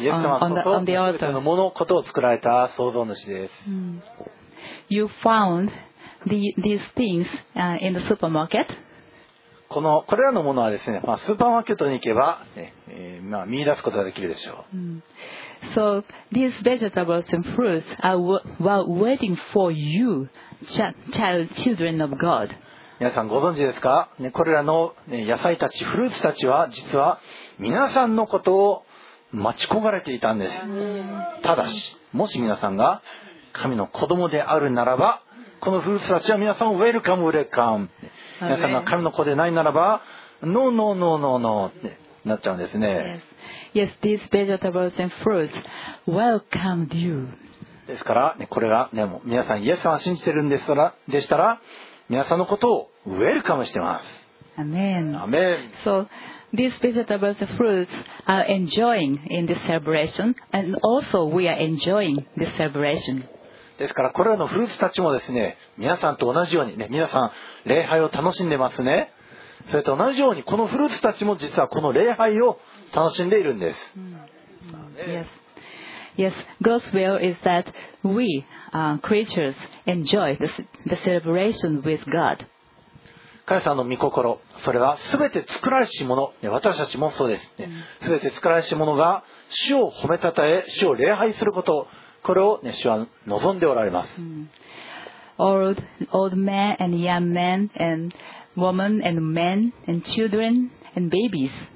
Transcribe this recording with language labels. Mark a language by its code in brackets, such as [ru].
[ja] イエス様こと、全てのものことを作られた創造主です。 [en] You found these things in the supermarket? [ja] これらのものはですね、まあ、スーパーマーケットに行けば、まあ、見出すことができるでしょう。 [en] So these vegetables and fruits are waiting for you, children of God. [ja] 皆さんご存知ですか、ね、これらの野菜たち、フルーツたちは実は皆さんのことを待ち焦がれていたんです。ただし、もし皆さんが神の子供であるならば、このフルーツたちは皆さんをウェルカムウェルカム。皆さんが神の子でないならば、ノーノーノーノーノーってなっちゃうんですね。 [en] Yes, these vegetables and fruits welcomed you. [ja] ですから、これが、ね、もう皆さんイエス様を信じてるんですから、でしたら皆さんのことをウェルカムしてます。 [en] Amen. Amen. So these vegetables and fruits are enjoying in this celebration, and also we are enjoying this celebration. [ja] ですからこれらのフルーツたちもですね、皆さんと同じように、ね、皆さん礼拝を楽しんでますね。それと同じようにこのフルーツたちも実はこの礼拝を楽しんでいるんです。 [en] Yes. Yes, God's will is that we creatures enjoy the celebration with God. [ja] 神様の御心、それは全て作られしもの、私たちもそうですね、全て作られしものが主を褒めたたえ、主を礼拝すること、これを、ね、主は望んでおられます。 [en] Old men and young men and women and men and children and babies.